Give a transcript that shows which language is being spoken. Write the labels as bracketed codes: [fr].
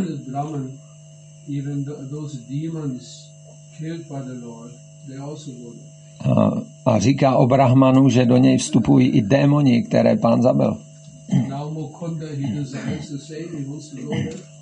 [en] Brahman, even those demons killed by the Lord, they also go there. [cs] A říká o Brahmanu, že do něj vstupují i démoni, které pán zabil. [en] Now Mukunda, he desires the same, he wants to go there.